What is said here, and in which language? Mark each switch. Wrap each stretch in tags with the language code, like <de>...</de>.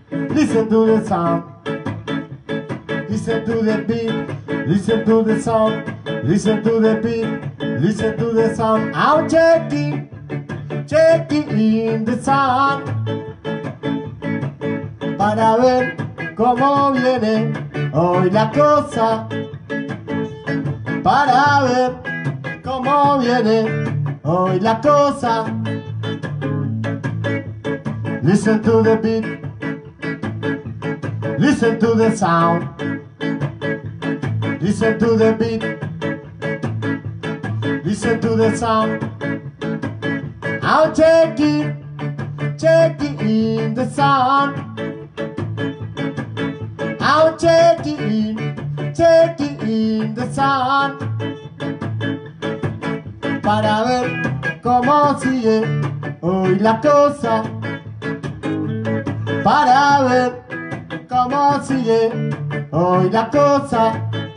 <en>Listen to the sound. Listen to the beat. Listen to the sound. Listen to the beat. Listen to the sound. I'm checking in the sound.</en> <es>Para ver cómo viene hoy la cosa. Para ver cómo viene hoy la cosa.</es> <en>Listen to the beat. Listen to the sound. Listen to the beat. Listen to the sound. I'm checking in the sound. I'm checking in the sound.</en> <es>Para ver cómo sigue hoy la cosa. Para ver cómo sigue hoy la cosa.</es>